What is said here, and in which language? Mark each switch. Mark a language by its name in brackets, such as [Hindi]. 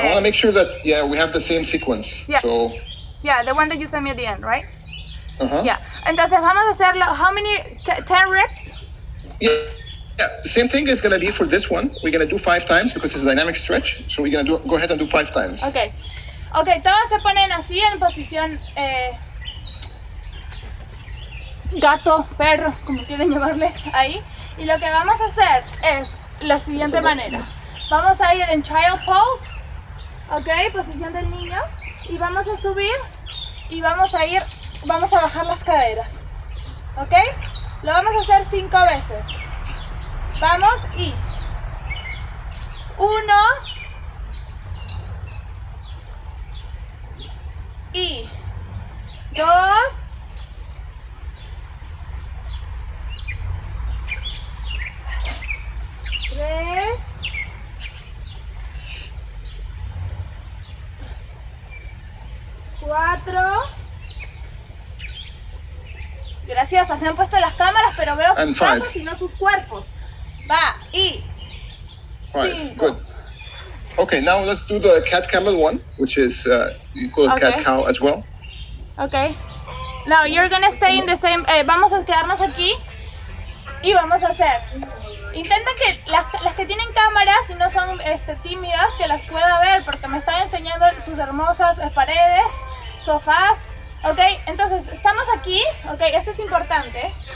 [English] I wanna make sure that we have the same sequence. Yeah. So. Yeah, the one that you sent me at the end, right? Uh huh. Yeah. [Spanish] Entonces vamos a hacer [English] how many 10 reps? Yeah. Yeah, same thing is gonna be for this one. We're gonna do 5 times because it's a dynamic stretch. So we're gonna go ahead and do 5 times. Okay. [Spanish] Okay, todos se ponen así en posición gato, perro, como quieren llamarle ahí. Y lo que vamos a hacer es la siguiente manera. Vamos a ir en child pose, okay, posición del niño. Y vamos a subir y vamos a bajar las caderas. Okay? Lo vamos a hacer 5 veces. Vamos y 1 y 2 3 4 Gracias, me han puesto las cámaras, pero veo sus brazos y no sus cuerpos. Va, y, [English] right, good. Okay, now let's do the cat camel one, which is you call it okay. Cat cow as well. Okay. Now you're gonna stay in the same. [Spanish] Vamos a quedarnos aquí y vamos a hacer. Intenta que las que tienen cámaras y no son tímidas que las pueda ver porque me están enseñando sus hermosas paredes, sofás. Okay. Entonces estamos aquí. Okay. Esto es importante.